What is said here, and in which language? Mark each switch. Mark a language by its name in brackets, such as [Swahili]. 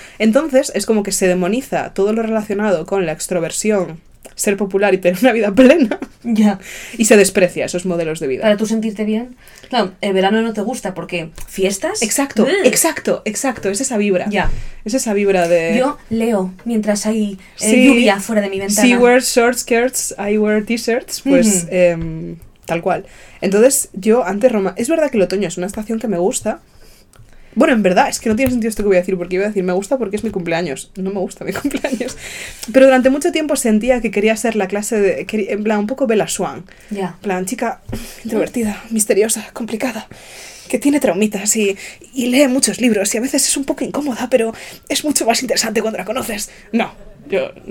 [Spanish] Entonces, es como que se demoniza todo lo relacionado con la extroversión, ser popular y tener una vida plena. Ya. Y se desprecia esos modelos de vida. Para tú sentirte bien. Claro, el verano no te gusta porque fiestas. Exacto, exacto. Es esa vibra. Ya. Es esa vibra de. Yo leo mientras hay lluvia fuera de mi ventana. Sí, [English] wear short skirts, I wear t-shirts. [Spanish] Pues, uh-huh. Tal cual. Entonces, yo antes Roma. Es verdad que el otoño es una estación que me gusta. Bueno, en verdad, es que no tiene sentido esto que voy a decir, porque iba a decir, me gusta porque es mi cumpleaños. No me gusta mi cumpleaños. Pero durante mucho tiempo sentía que quería ser la clase de... En plan, un poco Bella Swan. Ya. En plan, chica introvertida, misteriosa, complicada, que tiene traumitas y lee muchos libros. Y a veces es un poco incómoda, pero es mucho más interesante cuando la conoces. No, yo...